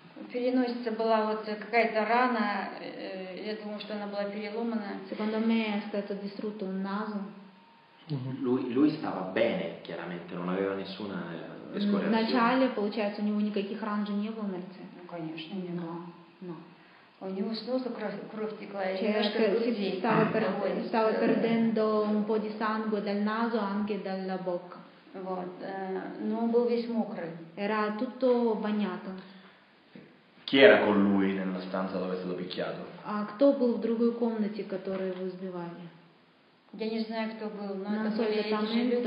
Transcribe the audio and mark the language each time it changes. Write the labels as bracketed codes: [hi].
[ru] Переносица была вот какая-то рана, я думаю, что она была переломана. [it] Secondo me è stato distrutto un naso. Lui stava bene, chiaramente, non aveva nessuna escoriazione. [ru] Вначале, получается, у него никаких ран же не было на лице. Ну, конечно, не было. [it] No. [ru] У него с носа кровь текла, и стало [it] perdendo un po' di sangue dal naso anche dalla bocca. [ru] Вот. Но он был весь мокрый. [it] Era tutto bagnato. Chi era con lui nella stanza dove è stato picchiato? [ru] А кто был в другой комнате, которую его избивали? Я не знаю, кто был, но это были эти же люди.